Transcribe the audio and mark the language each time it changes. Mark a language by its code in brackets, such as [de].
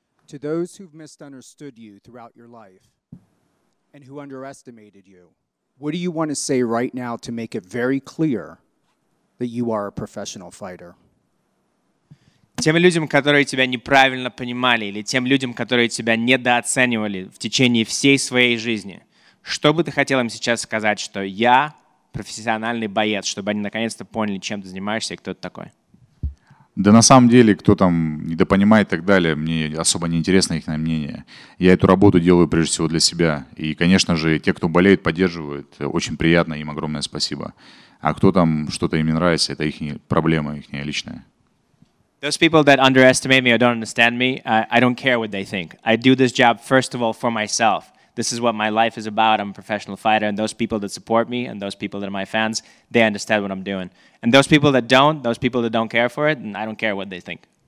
[en] To those who've misunderstood you throughout your life and who underestimated you, what do you want to say right now to make it very clear that you are a professional fighter? [ru] Тем людям, которые тебя неправильно понимали, или тем людям, которые тебя недооценивали в течение всей своей жизни, что бы ты хотел им сейчас сказать, что я профессиональный боец, чтобы они наконец-то поняли, чем ты занимаешься и кто ты такой? Да на самом деле, кто там недопонимает и так далее, мне особо не интересно их мнение. Я эту работу делаю прежде всего для себя. И, конечно же, те, кто болеет, поддерживают, очень приятно, им огромное спасибо. А кто там что-то им не нравится, это их проблема, их личная. [en] Those people that underestimate me or don't understand me, I don't care what they think. I do this job, first of all, for myself. This is what my life is about. I'm a professional fighter. And those people that support me and those people that are my fans, they understand what I'm doing. And those people that don't care for it, and I don't care what they think.